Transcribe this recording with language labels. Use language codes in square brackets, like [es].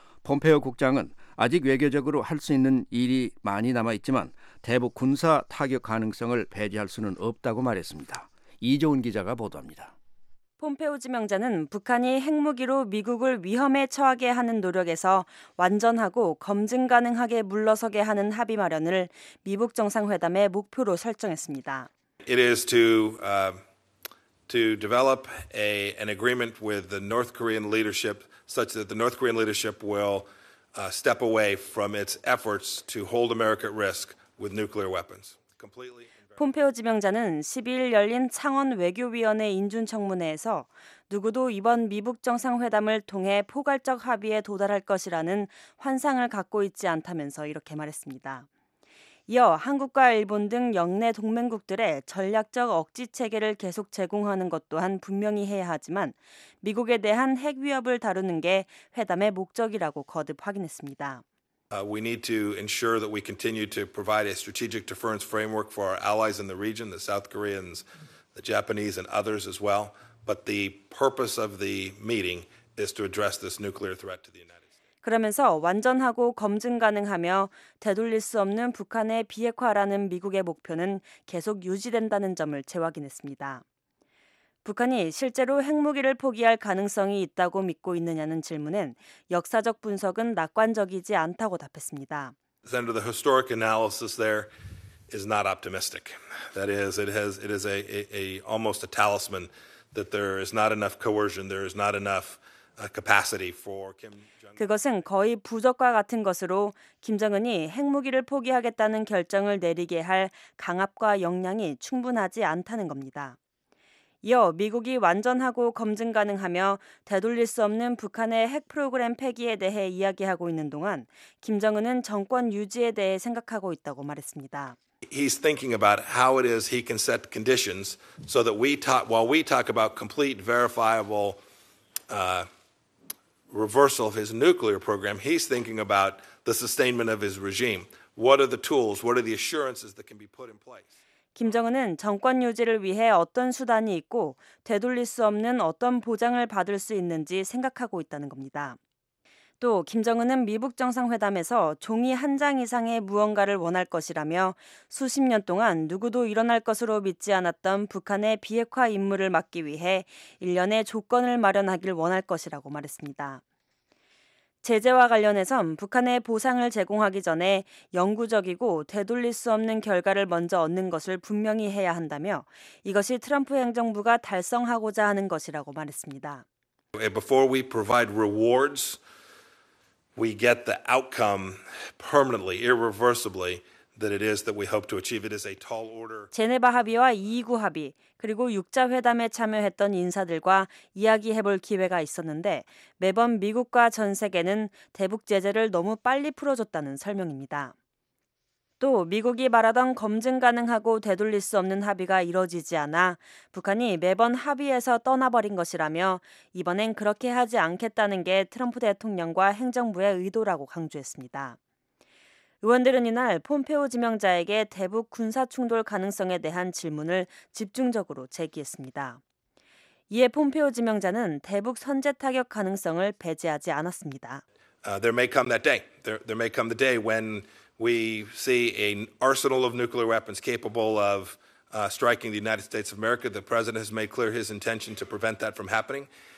[ko] 폼페이오 국장은 아직 외교적으로 할 수 있는 일이 많이 남아 있지만 대북 군사 타격 가능성을 배제할 수는 없다고 말했습니다. 이종훈 기자가 보도합니다. 폼페이오 지명자는 북한이 핵무기로 미국을 위험에 처하게 하는 노력에서 완전하고 검증 가능하게 물러서게 하는 합의 마련을 미북 정상회담의 목표로 설정했습니다. [en] It is to develop an agreement with the North Korean leadership such that the North Korean leadership will step away from its efforts to hold America at risk with nuclear weapons. [ko] 폼페이오 지명자는 12일 열린 창원 외교위원회 인준청문회에서 누구도 이번 미북 정상회담을 통해 포괄적 합의에 도달할 것이라는 환상을 갖고 있지 않다면서 이렇게 말했습니다. 이어 한국과 일본 등 역내 동맹국들의 전략적 억지 체계를 계속 제공하는 것 또한 분명히 해야 하지만 미국에 대한 핵 위협을 다루는 게 회담의 목적이라고 거듭 확인했습니다. [en] We need to ensure that we continue to provide a strategic deference framework for our allies in the region, the South Koreans, the Japanese, and others as well. But the purpose of the meeting is to address this nuclear threat to the United States. [ko] 그러면서 완전하고 검증 가능하며 되돌릴 수 없는 북한의 비핵화라는 미국의 목표는 계속 유지된다는 점을 재확인했습니다. 북한이 실제로 핵무기를 포기할 가능성이 있다고 믿고 있느냐는 질문엔 역사적 분석은 낙관적이지 않다고 답했습니다. [en] Senator, the historic analysis there is not optimistic. That is, it is a almost a talisman that there is not enough coercion, there is not enough capacity for Kim Jong-un. [ko] 그것은 거의 부적과 같은 것으로 김정은이 핵무기를 포기하겠다는 결정을 내리게 할 강압과 역량이 충분하지 않다는 겁니다. 이어 미국이 완전하고 검증 가능하며 되돌릴 수 없는 북한의 핵 프로그램 폐기에 대해 이야기하고 있는 동안 김정은은 정권 유지에 대해 생각하고 있다고 말했습니다. [en] He's thinking about how it is he can set conditions so that while we talk about complete verifiable reversal of his nuclear program, he's thinking about the sustainment of his regime. What are the tools? What are the assurances that can be put in place? [ko] 김정은은 정권 유지를 위해 어떤 수단이 있고 되돌릴 수 없는 어떤 보장을 받을 수 있는지 생각하고 있다는 겁니다. 또 김정은은 미북 정상회담에서 종이 한 장 이상의 무언가를 원할 것이라며 수십 년 동안 누구도 일어날 것으로 믿지 않았던 북한의 비핵화 임무를 막기 위해 일련의 조건을 마련하길 원할 것이라고 말했습니다. 제재와 관련해선 북한에 보상을 제공하기 전에 영구적이고 되돌릴 수 없는 결과를 먼저 얻는 것을 분명히 해야 한다며 이것이 트럼프 행정부가 달성하고자 하는 것이라고 말했습니다. [en] Before we provide rewards, we get the outcome permanently, irreversibly. That it is that we hope to achieve. It is a tall order. [ko] 제네바 합의와 2.29 합의 그리고 6자 회담에 참여했던 인사들과 이야기해볼 기회가 있었는데 매번 미국과 전 세계는 대북 제재를 너무 빨리 풀어줬다는 설명입니다. 또 미국이 말하던 검증 가능하고 되돌릴 수 없는 합의가 이뤄지지 않아 북한이 매번 합의에서 떠나버린 것이라며 이번엔 그렇게 하지 않겠다는 게 트럼프 대통령과 행정부의 의도라고 강조했습니다. 의원들은 이날 폼페이오 지명자에게 대북 군사 충돌 가능성에 대한 질문을 집중적으로 제기했습니다. 이에 폼페이오 지명자는 대북 선제 타격 가능성을 배제하지 않았습니다. [en] There may come that day. There may come the day when we see an arsenal of nuclear weapons capable of striking the United States of America. The president has made clear his intention to prevent that from happening.